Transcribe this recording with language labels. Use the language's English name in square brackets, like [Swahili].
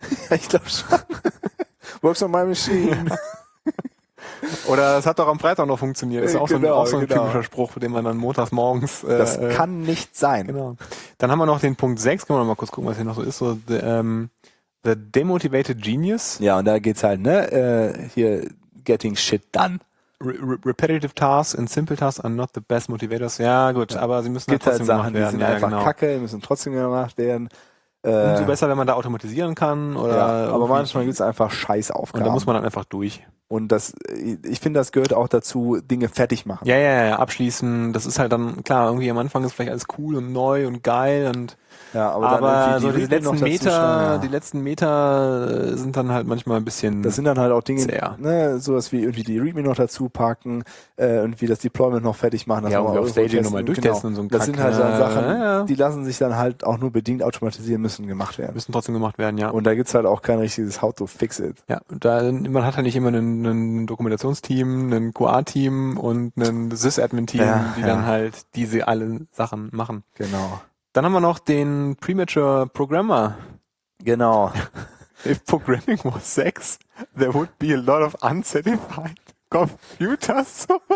[German] Ich glaube schon. [English] Works on my machine. [German] Ja. Oder es hat doch am Freitag noch funktioniert. Das ist auch so ein typischer Spruch, den man dann montags morgens... Das kann nicht sein. Genau. Dann haben wir noch den Punkt 6. Können wir mal kurz gucken, was hier noch so ist. So [English] the Demotivated Genius. [German] Ja, und da geht's halt, ne? Hier, [English] getting shit done. Repetitive tasks and simple tasks are not the best motivators. [German] Ja, gut, ja. Aber sie müssen halt trotzdem gemacht werden. Die sind einfach kacke, die müssen trotzdem gemacht werden. Umso besser, wenn man da automatisieren kann. Oder ja, aber manchmal gibt es einfach scheiß Aufgaben. Und da muss man dann einfach durch. Und das, ich finde, das gehört auch dazu, Dinge fertig machen. Ja, ja, ja, abschließen. Das ist halt dann, klar, irgendwie am Anfang ist vielleicht alles cool und neu und geil. Und ja, aber dann so die letzten Meter stehen, ja. Die letzten Meter sind dann halt manchmal ein bisschen. Das sind dann halt auch Dinge, zäher. Ne, sowas wie irgendwie die Readme noch dazu packen, irgendwie das Deployment noch fertig machen. Ja, und auf Staging nochmal durchtesten, genau. Und so ein Kack. Das sind halt dann Sachen, die lassen sich dann halt auch nur bedingt automatisieren, müssen gemacht werden. Müssen trotzdem gemacht werden, ja. Und da gibt's halt auch kein richtiges How to fix it. Ja, man hat halt nicht immer ein Dokumentationsteam, ein QA-Team und ein Sys-Admin-Team, ja, die dann halt diese alle Sachen machen. Genau. Dann haben wir noch den Premature Programmer. Genau. [English] If programming was sex, there would be a lot of unsatisfied computers.